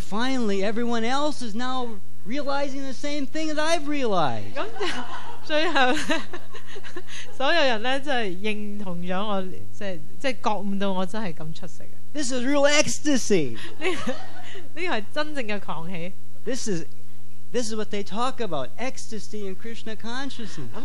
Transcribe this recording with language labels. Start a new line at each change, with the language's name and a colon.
English: finally, everyone else is now realizing the same thing that I've realized.
Cantonese: 最后，所有人咧就系认同咗我，即系觉悟到我真系咁出色嘅。
English: This is real ecstasy.
Cantonese: 呢个系真正嘅狂喜。
English: This is what they talk about, ecstasy in Krishna consciousness.